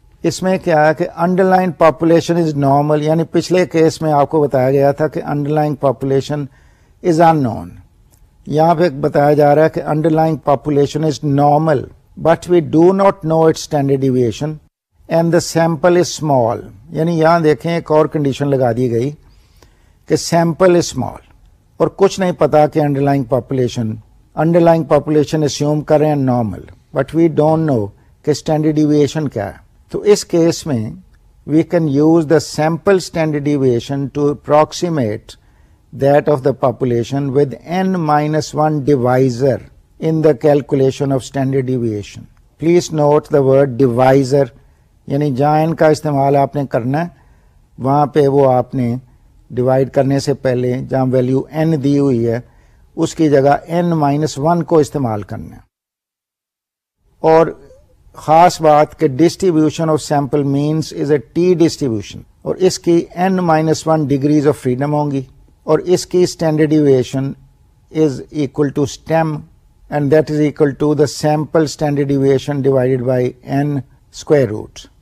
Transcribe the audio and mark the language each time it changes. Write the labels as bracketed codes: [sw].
[ur] اس میں کیا ہے کہ [en] underlying population is normal, [ur] یعنی پچھلے کیس میں آپ کو بتایا گیا تھا کہ [en] underlying population is unknown, [ur] یہاں پہ بتایا جا رہا ہے کہ [en] Underlying population is normal but we do not know its standard deviation and the sample is small. [ur] یعنی یہاں دیکھیں ایک اور کنڈیشن لگا دی گئی کہ [en] sample is small [ur] اور کچھ نہیں پتا کہ انڈر لائن پاپولیشن اسیوم کر رہے ہیں normal, [en] but we don't know [ur] کہ اسٹینڈرڈ ڈیویشن کیا ہے. تو اس کیس میں [en] We can use the sample standard deviation to approximate that of the population with n minus one divisor in the calculation of standard deviation. Please note the word divisor, [ur] یعنی join کا استعمال آپ نے کرنا ہے, وہاں پہ وہ آپ نے ڈیوائڈ کرنے سے پہلے جہاں ویلیو این دی ہوئی ہے اس کی جگہ این مائنس ون کو استعمال کرنا ہے. اور خاص بات کہ [en] distribution of sample means is a t distribution اور اس کی n minus one degrees of freedom [ur] ہوں گی اور اس کی [en] Standard deviation is equal to stem and that is equal to the sample standard deviation divided by n square root.